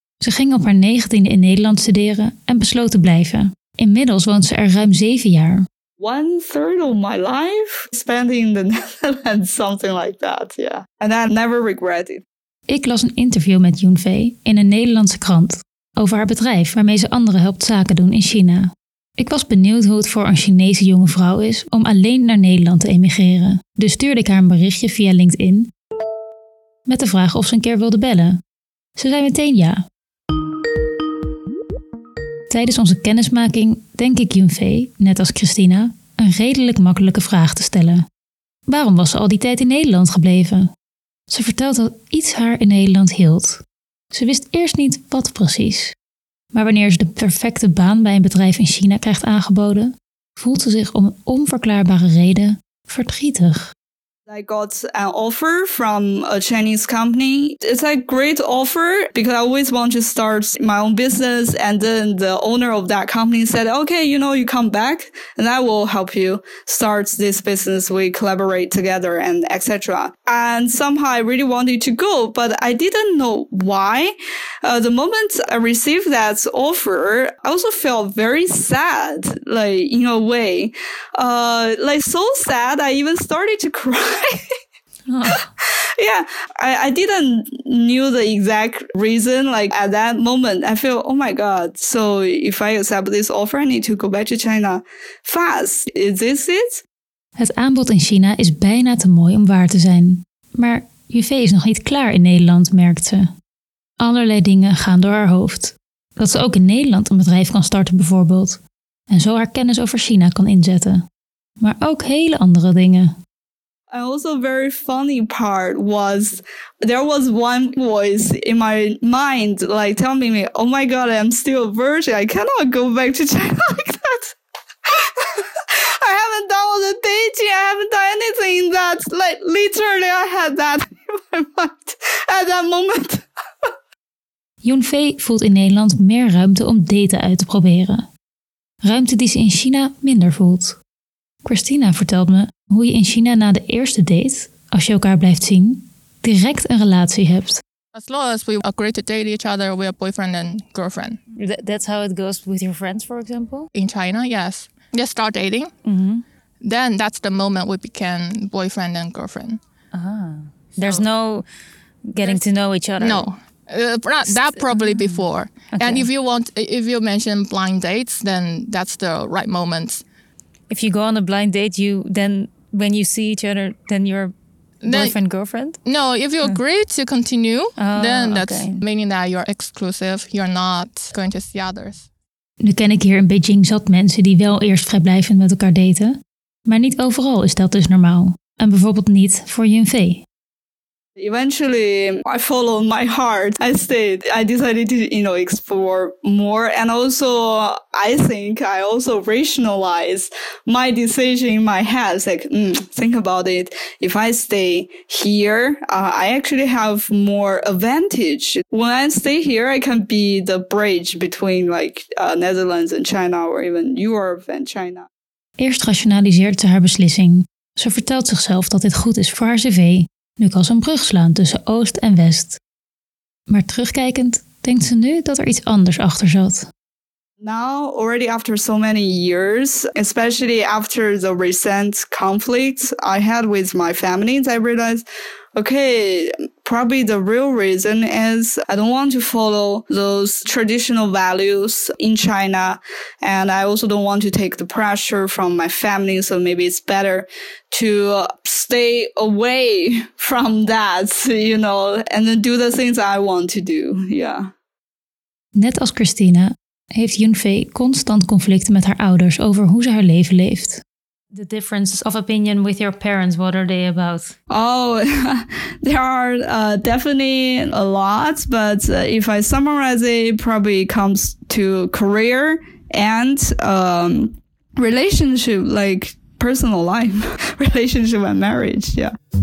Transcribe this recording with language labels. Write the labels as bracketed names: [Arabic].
[Dutch] Ze ging op haar 19e in Nederland studeren en besloot te blijven. Inmiddels woont ze er ruim 7 jaar. [English] One third of my life spending in the Netherlands, something like that, yeah. And I never regret it. [Dutch] Ik las een interview met Yunfei in een Nederlandse krant over haar bedrijf waarmee ze anderen helpt zaken doen in China. Ik was benieuwd hoe het voor een Chinese jonge vrouw is om alleen naar Nederland te emigreren. Dus stuurde ik haar een berichtje via LinkedIn met de vraag of ze een keer wilde bellen. Ze zei meteen ja. Tijdens onze kennismaking denk ik Yunfei, net als Christina, een redelijk makkelijke vraag te stellen. Waarom was ze al die tijd in Nederland gebleven? Ze vertelt dat iets haar in Nederland hield. Ze wist eerst niet wat precies. Maar wanneer ze de perfecte baan bij een bedrijf in China krijgt aangeboden, voelt ze zich om een onverklaarbare reden verdrietig. [English] I got an offer from a Chinese company. It's a great offer because I always want to start my own business. And then the owner of that company said, okay, you know, you come back and I will help you start this business. We collaborate together and etc. And somehow I really wanted to go, but I didn't know why. The moment I received that offer, I also felt very sad, like in a way, like so sad, I even started to cry. Yeah, I didn't knew the exact reason. Like at that moment, I feel, oh my God. So if I accept this offer, I need to go back to China fast. Is this it? [Dutch] Het aanbod in China is bijna te mooi om waar te zijn. Maar Yunfei is nog niet klaar in Nederland, merkt ze. Allerlei dingen gaan door haar hoofd. Dat ze ook in Nederland een bedrijf kan starten bijvoorbeeld. En zo haar kennis over China kan inzetten. Maar ook hele andere dingen. [English] And also very funny part was there was one voice in my mind like telling me, oh my God, I'm still a virgin. I cannot go back to China like that. I haven't done all the dating. I haven't done anything that, like, literally I had that in my mind at that moment. [Dutch] Yunfei voelt in Nederland meer ruimte om daten uit te proberen. Ruimte die ze in China minder voelt. Christina vertelt me hoe je in China na de eerste date, als je elkaar blijft zien, direct een relatie hebt. [English] As long as we agree to date each other, we are boyfriend and girlfriend. That's how it goes with your friends, for example? In China, yes. Just start dating. Mm-hmm. Then that's the moment we became boyfriend and girlfriend. There's no getting to know each other? No. That probably before. Okay. And if you mention blind dates, then that's the right moment. If you go on a blind date, when you see each other, then you're boyfriend, girlfriend? No, if you agree to continue, then that's okay. Meaning that you're exclusive. You're not going to see others. [Dutch] Nu ken ik hier in Beijing zat mensen die wel eerst vrijblijvend met elkaar daten. Maar niet overal is dat dus normaal. En bijvoorbeeld niet voor Yunfei. [English] Eventually, I followed my heart. I decided to, you know, explore more. And also, I think I also rationalized my decision in my head. It's like, think about it. If I stay here, I actually have more advantage. When I stay here, I can be the bridge between like Netherlands and China or even Europe and China. [Dutch] Eerst rationaliseert ze haar beslissing. Ze vertelt zichzelf dat dit goed is voor haar cv. Nu kan ze een brug slaan tussen Oost en West. Maar terugkijkend denkt ze nu dat er iets anders achter zat. [English] Now, already after so many years, especially after the recent conflict I had with my family, I realized, okay, probably the real reason is I don't want to follow those traditional values in China. And I also don't want to take the pressure from my family. So maybe it's better to stay away from that, you know, and then do the things I want to do. Yeah. [Dutch] Net als Christina heeft Yunfei constant conflicten met haar ouders over hoe ze haar leven leeft. [English] The difference of opinion with your parents, what are they about? Oh, there are definitely a lot, but if I summarize it, probably comes to career and relationship, like personal life, relationship and marriage, yeah.